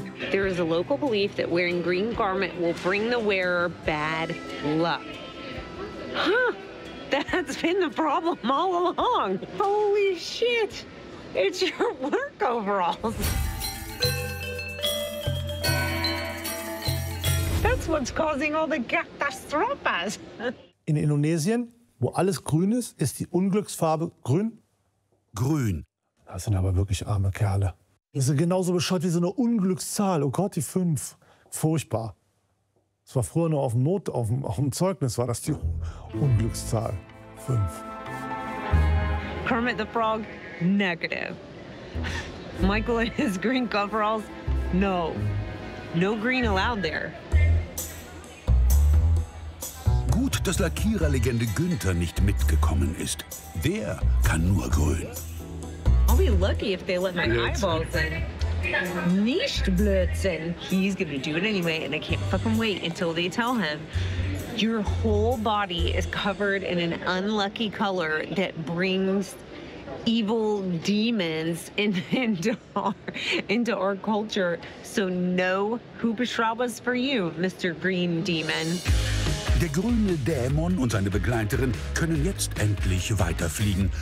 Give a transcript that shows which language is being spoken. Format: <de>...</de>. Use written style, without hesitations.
<en>There is a local belief that wearing green garment will bring the wearer bad luck. Huh? That's been the problem all along. Holy shit! It's your work overalls. That's what's causing all the catastrophes.</en> <de>In Indonesien, wo alles grün ist, ist die Unglücksfarbe grün. Grün. Das sind aber wirklich arme Kerle. Die sind genauso bescheuert wie so eine Unglückszahl. Oh Gott, die 5. Furchtbar. Das war früher nur auf dem Zeugnis war das die Unglückszahl. 5.</de> <en>Kermit the Frog. Negative. Michael and his green coveralls? No. No green allowed there.</en> <de>Gut, dass Lackierer-Legende Günther nicht mitgekommen ist. Der kann nur grün.</de> <en>I'll be lucky if they let my eyeballs in.</en> <de>Nicht blödsinn.</de> <en>He's gonna do it anyway, and I can't fucking wait until they tell him. Your whole body is covered in an unlucky color that brings evil demons into our culture. So no Hubschraubers for you, Mr. Green Demon.</en> <de>Der grüne Dämon und seine Begleiterin können jetzt endlich weiterfliegen.</de>